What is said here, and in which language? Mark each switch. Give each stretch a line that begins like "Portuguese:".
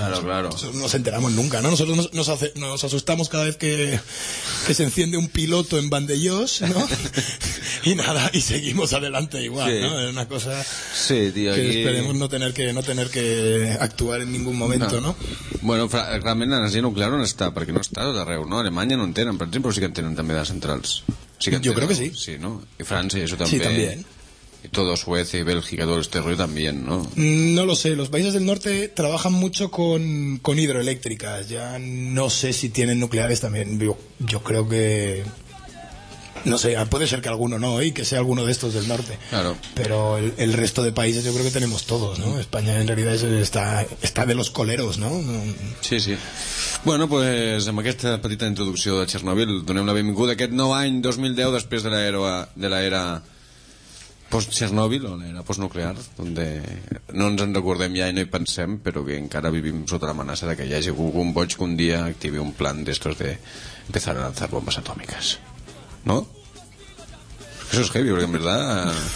Spanish: Claro, claro. Nosotros nos enteramos nunca, ¿no? Nosotros nos asustamos cada vez que se enciende un piloto en Vandellós, ¿no? Y nada, y seguimos adelante igual, sí. ¿No? Es una cosa, sí, tío, que esperemos no tener que actuar en ningún momento, ¿no?
Catalan: Bueno, realment la energia nuclear no està, perquè no està d'arreu, ¿no? Alemanya no en tenen, per exemple, sí que en tenen també de centrals. Sí que en tenen, jo crec que sí. Sí, ¿no? I França i això també. Sí, també.
Spanish: Todo Suecia y Bélgica, todo este rollo también, ¿no? No lo sé, los países del norte trabajan mucho con hidroeléctricas. Ya no sé si tienen nucleares también. Yo creo que... no sé, puede ser que alguno no, y que sea alguno de estos del norte. Claro. Pero el resto de países yo creo que tenemos todos, ¿no? España en realidad está de los coleros, ¿no? Sí, sí.
Catalan: Bueno, pues amb aquesta petita introducció de Chernobyl donem la benvinguda a aquest nou any 2010 després de l'era... post-Chernobyl, on era post-nuclear, on no ens en recordem ja i no hi pensem, però que encara vivim sota l'amenaça que hi hagi algun boig que un dia activi un plan d'estos de
Spanish: empezar a lanzar
Catalan: bombes atòmiques. No? Això és heavy, perquè en veritat...